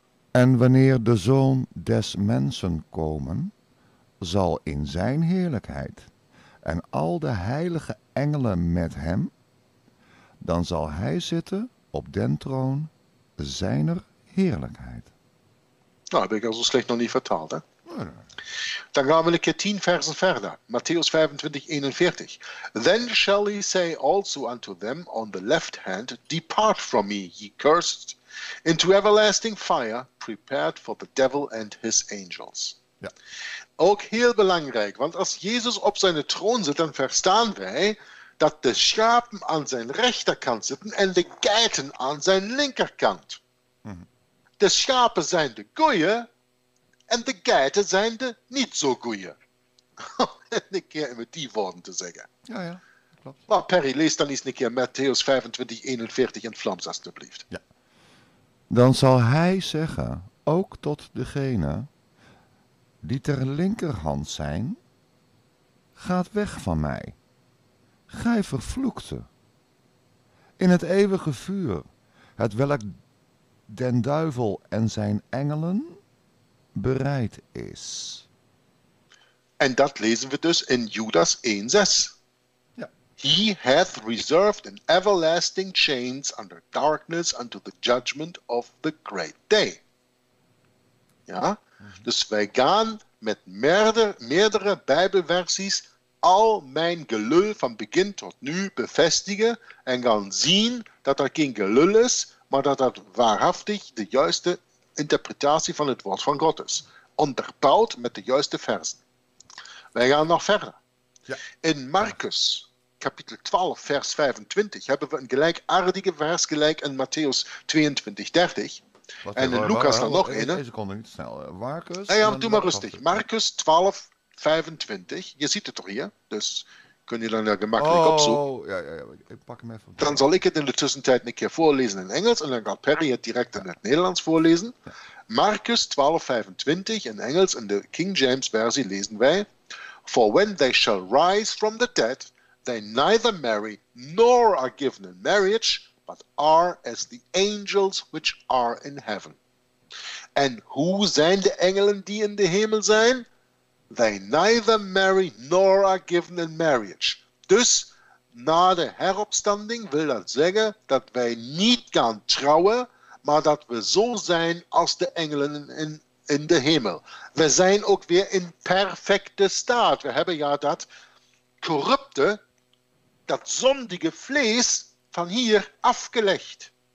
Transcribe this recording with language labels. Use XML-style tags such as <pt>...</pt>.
<nl>En wanneer de Zoon des Mensen komen, zal in zijn heerlijkheid en al de heilige engelen met hem, dan zal hij zitten op den troon zijner heerlijkheid. Nou, heb ik al zo slecht nog niet vertaald, hè? Nee. Dan gaan we een keer 10 versen verder. Matthäus 25, 41.</nl> <en>Then shall he say also unto them on the left hand, depart from me, ye cursed, into everlasting fire, prepared for the devil and his angels.</en> <nl>Ja. Ook heel belangrijk, want als Jezus op zijn troon zit, dan verstaan wij dat de schapen aan zijn rechterkant zitten en de geiten aan zijn linkerkant. De schapen zijn de goeie en de geiten zijn de niet zo goeie. Om een keer met die woorden te zeggen. Ja, ja. Klopt. Maar Perry, lees dan eens een keer Matthäus 25, 41 in Vlaams, alstublieft. Ja. Dan zal hij zeggen, ook tot degene die ter linkerhand zijn, gaat weg van mij, gij vervloekte, in het eeuwige vuur, het welk den duivel en zijn engelen bereid is. En dat lezen we dus in Judas 1:6. Ja.</nl> <en>He hath reserved an everlasting chains under darkness unto the judgment of the great day.</en> <nl>Ja? Mm-hmm. Dus wij gaan met meerdere Bijbelversies al mijn gelul van begin tot nu bevestigen en gaan zien dat er geen gelul is, maar dat dat waarachtig de juiste interpretatie van het woord van God is. Onderbouwd met de juiste versen. Wij gaan nog verder. Ja. In Marcus kapitel 12 vers 25 hebben we een gelijkaardige vers gelijk in Matthäus 22, 30. Wat en in Lucas dan nog een. Deze konden niet snel. Marcus? Ja, doe maar rustig. Marcus 12, 25. Je ziet het toch hier? Dus kun je dan gemakkelijk opzoeken. Ja. Ik pak hem even. Dan zal ik het in de tussentijd een keer voorlezen in Engels. En dan gaat Perry het direct in het Nederlands voorlezen. Ja. Marcus 12, 25 in Engels. In de King James versie lezen wij.</nl> <en>For when they shall rise from the dead, they neither marry nor are given in marriage, but are as the angels which are in heaven.</en> <nl>En hoe zijn de engelen die in de hemel zijn?</nl> <en>They neither marry nor are given in marriage.</en> <nl>Dus na de heropstanding wil dat zeggen dat wij niet gaan trouwen, maar dat we zo zijn als de engelen in de hemel. We zijn ook weer in perfecte staat. We hebben ja dat corrupte, dat zondige vlees van hier afgelegd.</nl>